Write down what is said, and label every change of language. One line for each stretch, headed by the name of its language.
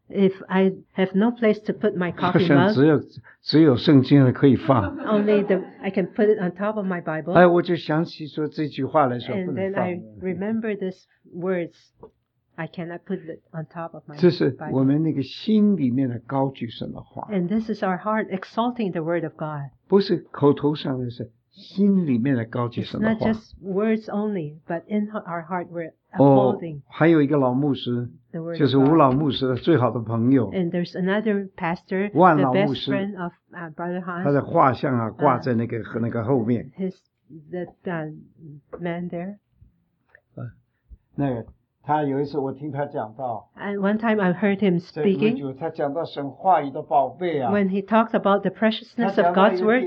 English: If I have no place to put my coffee mug.
Chinese: 好像只有圣经可以放。
English: Only the I can put it on top of my Bible.
Chinese: 哎，我就想起说这句话来说不能放。
English: And then I remember these words. I cannot put it on top of my Bible.
Chinese: 这是我们那个心里面的高举神的话。
English: And this is our heart exalting the word of God.
Chinese: 不是口头上的事。心里面的高级神的话
English: It's not just words only, but in our heart we're upholding.
Chinese: 哦，还有一个老牧师，就是吴老牧师的最好的朋友。
English: And there's another pastor,
Chinese: 万老牧师
English: the best friend of Brother Hans.
Chinese: 他的画像啊，挂在那个和那个后面。
English: His the man there.
Chinese: 那个他有一次我听他讲到
English: And one time I heard him speaking.
Chinese: 这位主他讲到神话语的宝贝啊
English: When he talks about the preciousness of God's word.